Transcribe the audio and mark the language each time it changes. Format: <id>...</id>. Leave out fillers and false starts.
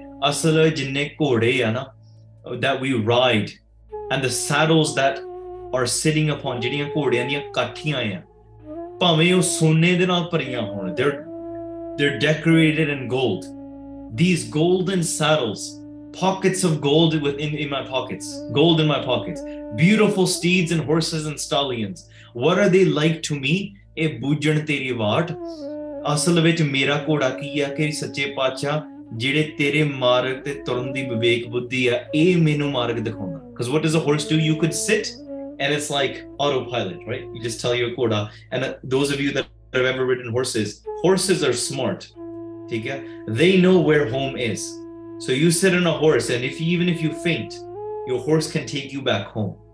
<pa>ਅਸਲ ਜਿੰਨੇ ਘੋੜੇ ਆ ਨਾ,</pa> <en>that we ride and the saddles that are sitting upon,</en> <pa>ਜਿਹੜੀਆਂ ਘੋੜਿਆਂ ਦੀਆਂ ਕਾਠੀਆਂ ਆ, ਭਾਵੇਂ ਉਹ ਸੋਨੇ ਦੇ ਨਾਲ ਭਰੀਆਂ ਹੋਣ,</pa> <en>they're decorated in gold. These golden saddles, pockets of gold in my pockets, gold in my pockets, beautiful steeds and horses and stallions. What are they like to me?</en> <pa>ਇਹ ਬੂਝਣ ਤੇਰੀ ਵਾਟ ਅਸਲ ਵਿੱਚ ਮੇਰਾ ਘੋੜਾ ਕੀ ਆ ਕਿ ਸੱਚੇ ਪਾਤਸ਼ਾਹ ਜਿਹੜੇ ਤੇਰੇ ਮਾਰਗ ਤੇ ਤੁਰਨ ਦੀ ਵਿਵੇਕ ਬੁੱਧੀ ਆ ਇਹ ਮੈਨੂੰ ਮਾਰਗ ਦਿਖਾਉਣਾ</pa> <en>cause what is a horse do you could sit and it's like autopilot right you just tell your ਘੋੜਾ and those of you that have ever ridden horses horses are smart ਠੀਕ ਹੈ they know where home is so you sit on a horse and if even if you faint your horse can take you back home</en>